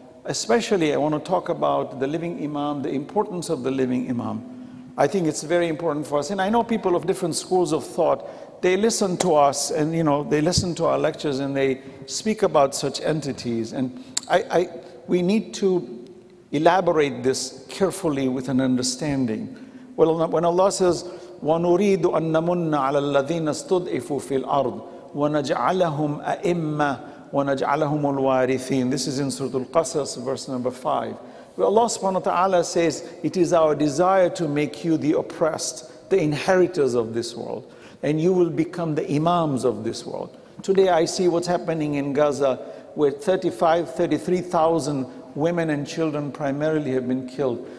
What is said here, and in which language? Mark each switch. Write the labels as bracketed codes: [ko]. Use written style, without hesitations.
[en] Especially, I want to talk about the living imam, the importance of the living imam. I think it's very important for us. And I know people of different schools of thought, they listen to us and, you know, they listen to our lectures and they speak about such entities. And we need to elaborate this carefully with an understanding. Well, when Allah says, [ar] وَنُرِيدُ أَن نَمُنَّ عَلَى الَّذِينَ اسْتُضْعِفُوا فِي الْأَرْضِ وَنَجْعَلَهُمْ أَئِمَّةً وَنَجْعَلَهُمُ الْوَارِثِينَ. [en] This is in Surah Al-Qasas, verse number 5. Well, Allah subhanahu wa ta'ala says, it is our desire to make you the oppressed, the inheritors of this world, and you will become the imams of this world. Today I see what's happening in Gaza, where 33,000 women and children primarily have been killed.